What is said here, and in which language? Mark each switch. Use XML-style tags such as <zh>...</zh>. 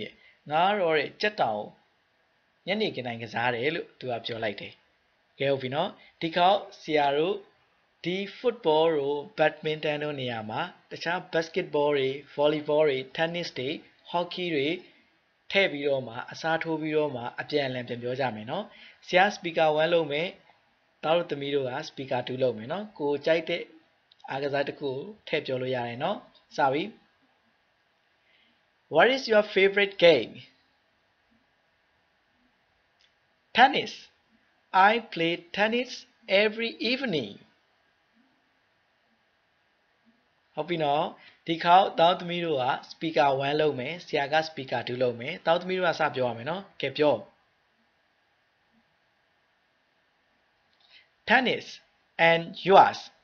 <my>တဲ့ငါရောတဲ့ကြက်တောင်ညနေခင်းတိုင်းကစားတယ်လို့သူကပြောလိုက်တယ်။ကဲဟုတ်ပြီနော်။ဒီခေါက်ဆရာတို့ဒီဖွတ်ဘောတို့ဘက်မင်တန်တို့နေရာမှာတခြားဘတ်စကတ်ဘောတွေ၊ဗောလီဘောတွေ၊တင်နစ်တွေ၊ဟော်ကီတွေထည့်ပြီးတော့မှအစားထိုးပြီးတော့မှအပြန်အလှန်ပြန်ပြောကြမယ်နော်။ဆရာစပီကာ1လုံးမယ်။တားလို့သမီးတို့က speaker 2လုံးမယ်နော်။ကိုကြိုက်တဲ့အားကစားတစ်ခုထည့်ပြောလို့ရတယ်နော်။စပြီ</my> <en>What is your favorite game? Tennis. I play tennis every evening.</en> <my>ဟုတ်ပြီနော်ဒီခေါက်တောင်းသမီးတို့က speaker 1လုံးမယ်ဆရာက speaker 2လုံးမယ်တောင်းသမီးတို့ကစပြောရမယ်နော်ကဲပြော</my> <en>Tennis and yours.</en>